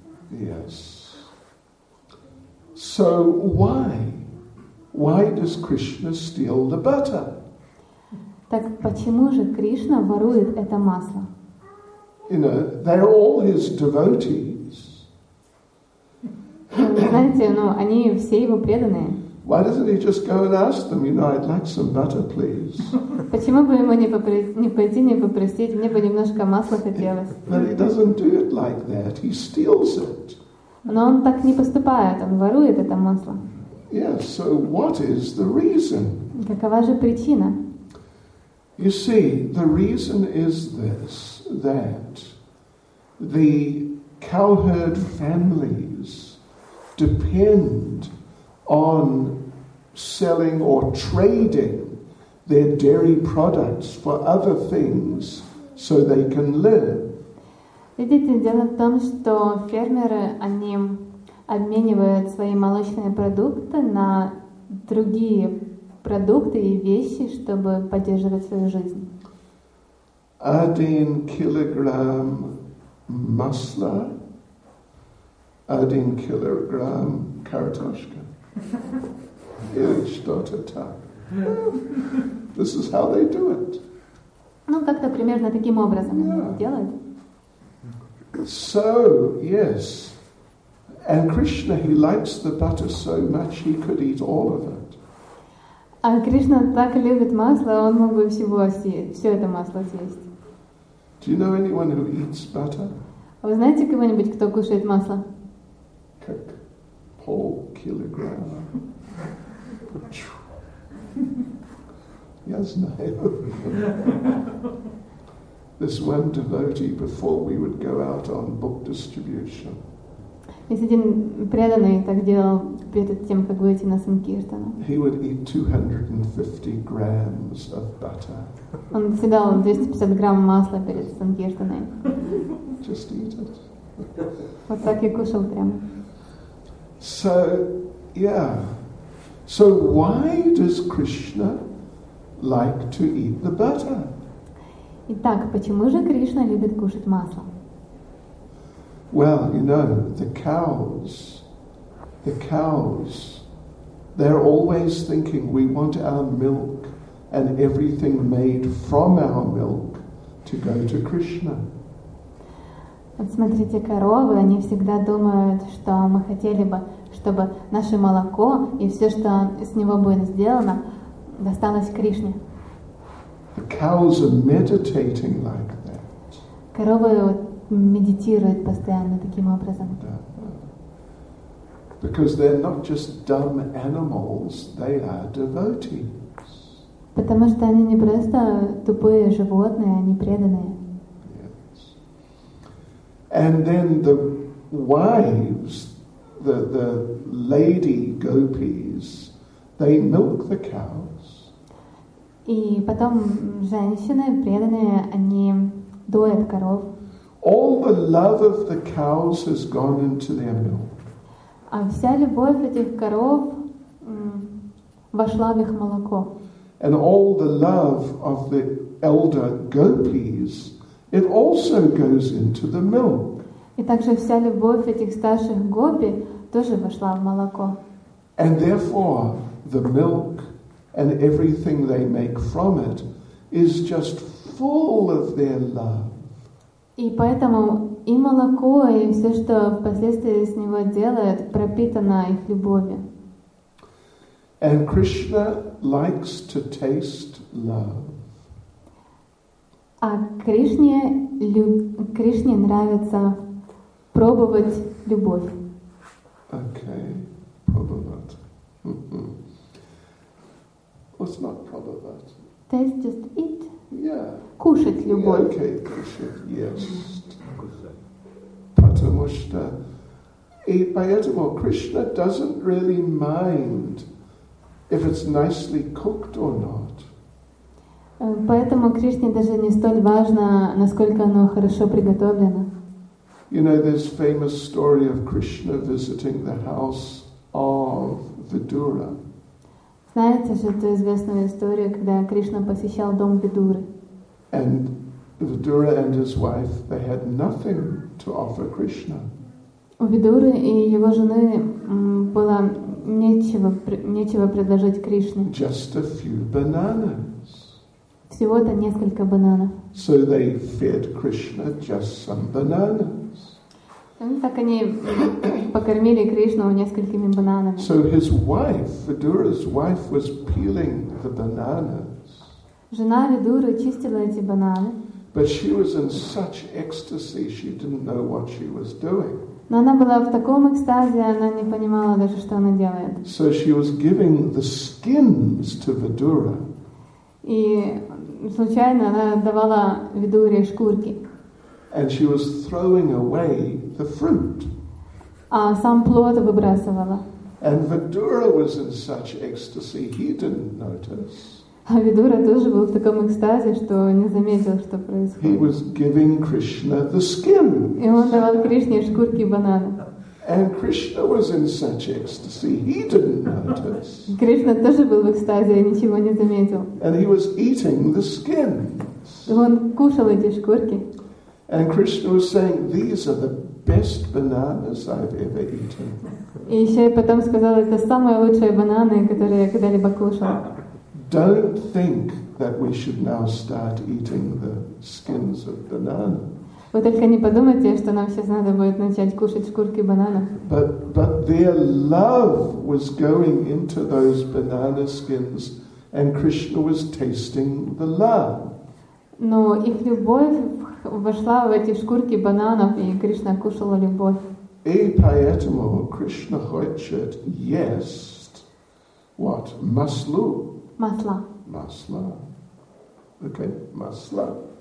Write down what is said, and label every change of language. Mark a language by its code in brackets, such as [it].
[en] Yes. So why? Why does Krishna steal the butter? [ru] Так почему же Кришна ворует это масло? [en] You know, they're all his devotees. [ru] Знаете, ну они все его преданные. [en] Why doesn't he just go and ask them, you know, I'd like some butter, please? [ru] Почему бы ему не пойти, не попросить, мне бы немножко масла хотелось. [en] But he doesn't do it like that. He steals it. [ru] Но он так не поступает, он ворует это масло. [en] Yes, so what is the reason? [ru] Какова же причина? [en] You see, the reason is this, that the cowherd families depend on selling or trading their dairy products for other things so they can live. [ru] Видите, дело в том, что фермеры, они обменивают свои молочные продукты на другие продукты и вещи, чтобы поддерживать свою жизнь. Один килограмм масла, один килограмм картошка. Или что-то так. [en] This is how they do it. [ru] Ну, как-то примерно таким образом делают. [en] So, yes. And Krishna, he likes the butter so much, he could eat all of it. [ru] А Кришна так любит масло, он мог бы всего съесть, все это масло съесть. [en] Do you know anyone who eats butter? [ru] Вы знаете кого-нибудь, кто кушает масло? Как пол килограмма. Я знаю. [en] This one devotee, before we would go out on book distribution. [ru] Есть один преданный, так делал перед тем, как выйти на санкиртану. [en] He would eat 250 grams of butter. [ru] Он съедал 250 грамм масла перед санкиртаной. [en] Just eat it. [ru] Вот так я кушал прямо. [en] So, yeah. So why does Krishna like to eat the butter? [ru] Итак, почему же Кришна любит кушать масло? [en] Well, you know, the cows, they're always thinking we want our milk and everything made from our milk to go to Krishna. [ru] Вот смотрите, коровы, они всегда думают, что мы хотели бы, чтобы наше молоко и все, что с него будет сделано, досталось Кришне. [en] The cows are meditating like that. [ru] Коровы медитируют постоянно таким образом. [en] Because they're not just dumb animals, they are devotees. [ru] Потому что они не просто тупые животные, они преданные. [en] Yes. And then the wives, the lady gopis, they milk the cows. [ru] И потом женщины преданные, они доят коров. [en] All the love of the cows has gone into their milk. [ru] А вся любовь этих коров вошла в их молоко. [en] And all the love of the elder gopis, it also goes into the milk. [ru] И также вся любовь этих старших гопи тоже вошла в молоко. [en] And therefore, the milk and everything they make from it is just full of their love. [ru] И поэтому и молоко, и все, что впоследствии с него делают, пропитано их любовью. [en] And Krishna likes to taste love. [ru] А Кришне, Кришне нравится пробовать любовь. [en] Okay, [ru] пробовать. [en] What's not [ru] пробовать? [en] Taste, just eat. Yeah. [ru] Кушать любовь. [en] Yeah, okay, [ru] кушать, [en] yes. [ru] потому что и поэтому [en] Кришна doesn't really mind if it's nicely cooked or not. [ru] Поэтому Кришне даже не столь важно, насколько оно хорошо приготовлено. [en] You know, there's famous story of Krishna visiting the house of Vidura. [ru] Знаете же ту известную историю, когда Кришна посещал дом Видуры. [en] And Vidura and his wife, they had nothing to offer Krishna. [ru] У Видуры и его жены было нечего предложить Кришне. [en] Just a few bananas. [ru] Всего-то несколько бананов. [en] So they fed Krishna just some bananas. [ru] Так они покормили Кришну несколькими бананами. [en] So his wife, Vidura's wife, was peeling the bananas. [ru] Жена Видуры чистила эти бананы. [en] But she was in such ecstasy, she didn't know what she was doing. [ru] Но она была в таком экстазе, она не понимала даже, что она делает. [en] So she was giving the skins to Vidura. [ru] И случайно она давала Видуре шкурки. [en] And she was throwing away the fruit. [ru] А сам плод выбрасывала. [en] And Vidura was in such ecstasy, he didn't notice. [ru] А Видура тоже был в таком экстазе, что не заметил, что происходит. [en] He was giving Krishna the skin. [ru] И он давал Кришне шкурки банана. [en] And Krishna was in such ecstasy, he didn't notice. [ru] Кришна тоже был в экстазе и ничего не заметил. [en] And he was eating the skin. [ru] И он кушал эти шкурки. [en] And Krishna was saying, "These are the best bananas I've ever eaten." [ru] И еще и потом сказал, это самые лучшие бананы, которые я когда-либо кушал. [en] Don't think that we should now start eating the skins of banana. [ru] Вы только не подумайте, что нам сейчас надо будет начать кушать шкурки бананов. [en] But their love was going into those banana skins, and Krishna was tasting the love. [ru] Но их любовь вошла в эти шкурки бананов, и Кришна кушала любовь. И поэтому Кришна хочет есть [en] what? [ru] Маслу. Масла. [en] Okay, [ru] масла.